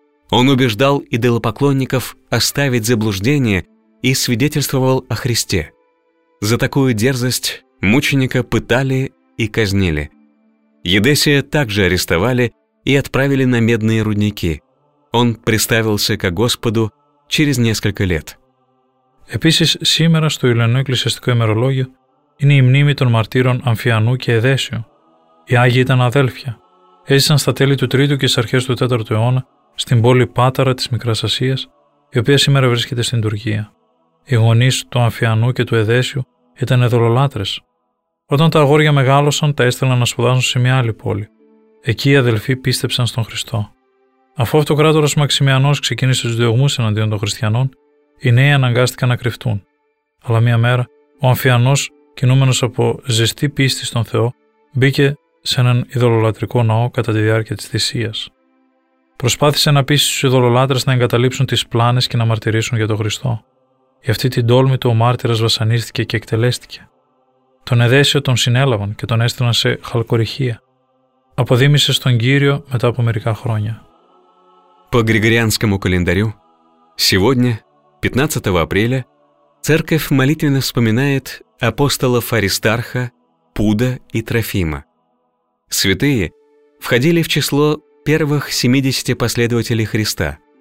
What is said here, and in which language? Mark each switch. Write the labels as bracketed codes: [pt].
[ru] Он убеждал идолопоклонников оставить заблуждение и свидетельствовал о Христе. За такую дерзость мученика пытали и казнили. Едесия также арестовали и отправили на медные рудники. Он представился ко Господу через несколько лет. [el] Επίσης, σήμερα στο Ιουλιανό Εκκλησιαστικό ημερολόγιο είναι η μνήμη των μαρτύρων Αμφιανού και Εδέσιο. Οι Άγιοι ήταν αδέλφια. Έζησαν στα τέλη του 3ου και στις αρχές του 4ου αιώνα στην πόλη Πάταρα της Μικράς Ασίας, η οποία σήμερα βρίσκεται στην Τουρκία. Οι γονείς του Αμφιανού και του Εδέσιου ήταν ειδωλολάτρες. Όταν τα αγόρια μεγάλωσαν, τα έστειλαν να σπουδάσουν σε μια άλλη πόλη. Εκεί οι αδελφοί πίστεψαν στον Χριστό. Αφού αυτοκράτορας Μαξιμιανός ξεκίνησε τους διωγμούς εναντίον των χριστιανών, οι νέοι αναγκάστηκαν να κρυφτούν. Αλλά μία μέρα, ο Αμφιανός, κινούμενος από ζεστή πίστη στον Θεό, μπήκε σε έναν ειδωλολατρικό ναό κατά τη διάρκεια της θυσίας. Προσπάθησε να πείσει τους ειδωλολάτρες να εγκαταλείψουν τις πλάνες και να μαρτυρήσουν για τον Χριστό. Γι' αυτή την τόλμη του ο μάρτυρας βασανίστηκε και εκτελέστηκε. Τον Εδέσιο τον συνέλαβαν και τον έστειλαν σε Χαλκορυχία. Αποδήμησε στον Κύριο μετά από μερικά χρόνια. [ru] По Григорианскому календарю, сегодня, 15 апреля, церковь молитвенно вспоминает апостолов Аристарха, Пуда и Трофима. Святые входили в число первых 70 последователей Христа.